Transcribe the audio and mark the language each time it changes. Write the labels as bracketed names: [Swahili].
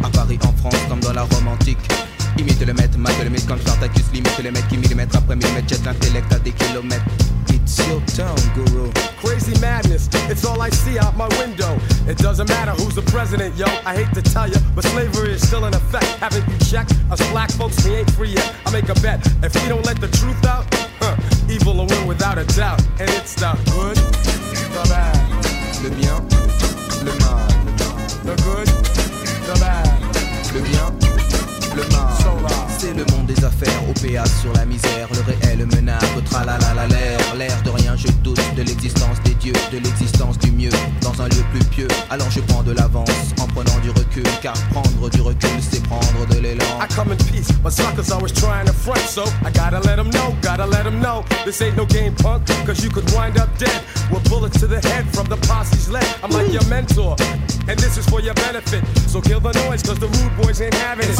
[French] À Paris, en France, comme dans la Rome antique. Imite le maître, mate le mythe quand Spartacus limite le maître qui millimètre après millimètre jette l'intellect à des kilomètres. [English] It's your town, guru. Crazy madness, it's all I see out my window. It doesn't matter who's the president, yo. I hate to tell you, but slavery is still in effect. Haven't you checked? Us black folks, we ain't free yet. I make a bet, if we don't let the truth out, evil will win without a doubt. And it's the good, the bad. [French] Le bien, le mal. [English] The good, the bad. [French] Le bien, le mal. C'est le monde des affaires, OPA sur la misère. Le réel menace, tralala la l'air. L'air de rien, je doute de l'existence des dieux, de l'existence du mieux, dans un lieu plus pieux. Alors je prends de l'avance, en prenant du recul. Car prendre du recul, c'est prendre de l'élan. [English] I come in peace, but suckers always trying to front. So I gotta let them know this ain't no game punk, cause you could wind up dead with bullets to the head from the posse's lead. I'm like your mentor, and this is for your benefit. So kill the noise, cause the rude boys ain't having it.